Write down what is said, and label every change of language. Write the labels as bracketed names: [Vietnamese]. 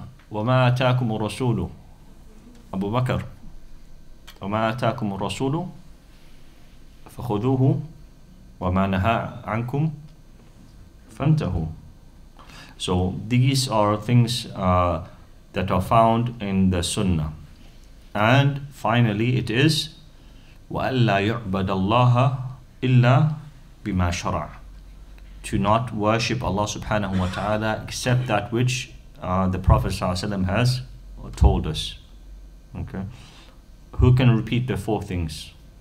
[Arabic] وَمَا أَتَاكُمُ الرَّسُولُ. Abu Bakr. وَمَا أَتَاكُمُ الرَّسُولُ فَخُذُوهُ وَمَا نَهَا عَنْكُمْ فَانْتَهُ. [English] So these are things that are found in the Sunnah. And finally it is [Arabic] وَأَلَّا يُعْبَدَ اللَّهَ إِلَّا بِمَا شَرَعَ. [English] To not worship Allah subhanahu wa ta'ala except that which the Prophet sallallahu alayhi wa sallam has told us. Okay. Who can repeat the 4 things?